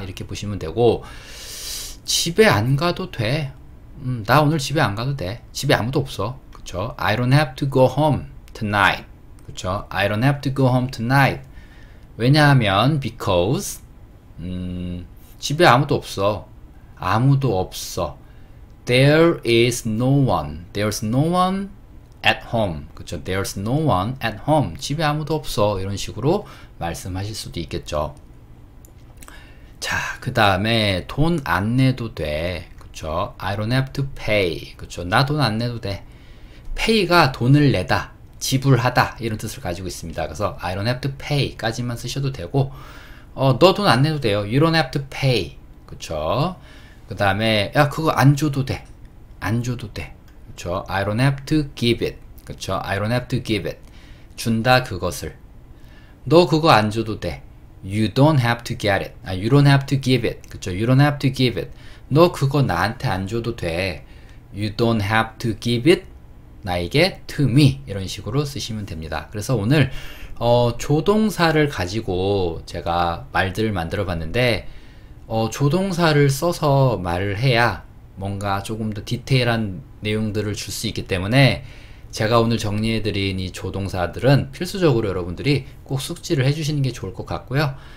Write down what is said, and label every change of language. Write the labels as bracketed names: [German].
[Korean] 이렇게 보시면 되고, 집에 안 가도 돼. 나 오늘 집에 안 가도 돼. 집에 아무도 없어. 그쵸? [English] I don't have to go home tonight. [Korean] 그쵸? [English] I don't have to go home tonight. [Korean] 왜냐하면, because, 집에 아무도 없어. 아무도 없어. [English] There is no one. There's no one at home. [Korean] 그쵸? [English] There's no one at home. [Korean] 집에 아무도 없어. 이런 식으로 말씀하실 수도 있겠죠. 자, 그 다음에 돈안 내도 돼. 그쵸? [English] I don't have to pay. [Korean] 그쵸? 나돈안 내도 돼. pay가 돈을 내다. 지불하다 이런 뜻을 가지고 있습니다. 그래서 [English] I don't have to pay [Korean] 까지만 쓰셔도 되고 너 돈 안 내도 돼요. [English] You don't have to pay. [Korean] 그쵸? 그 다음에 야 그거 안 줘도 돼. 안 줘도 돼. 그쵸? [English] I don't have to give it. 그쵸? I don't have to give it. [Korean] 준다 그것을. 너 그거 안 줘도 돼. [English] You don't have to get it. 아, you don't have to give it. [Korean] 그쵸? [English] You don't have to give it. [Korean] 너 그거 나한테 안 줘도 돼. [English] You don't have to give it [Korean] 나에게 [English] to me [Korean] 이런 식으로 쓰시면 됩니다. 그래서 오늘 조동사를 가지고 제가 말들을 만들어 봤는데 조동사를 써서 말을 해야 뭔가 조금 더 디테일한 내용들을 줄 수 있기 때문에 제가 오늘 정리해드린 이 조동사들은 필수적으로 여러분들이 꼭 숙지를 해주시는 게 좋을 것 같고요.